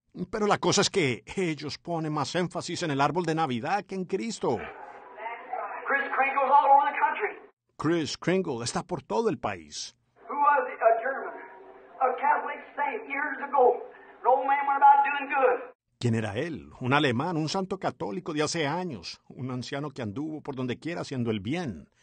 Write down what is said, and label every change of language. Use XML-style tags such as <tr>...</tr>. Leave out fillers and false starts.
<es>Pero la cosa es que ellos ponen más énfasis en el árbol de Navidad que en Cristo.</es> <en>Chris Kringle's all over the country.</en> <es>Chris Kringle está por todo el país.</es> <en>Who was a German, a Catholic saint years ago? An old man went about doing good.</en> <es>¿Quién era él? Un alemán, un santo católico de hace años, un anciano que anduvo por donde quiera haciendo el bien.</es>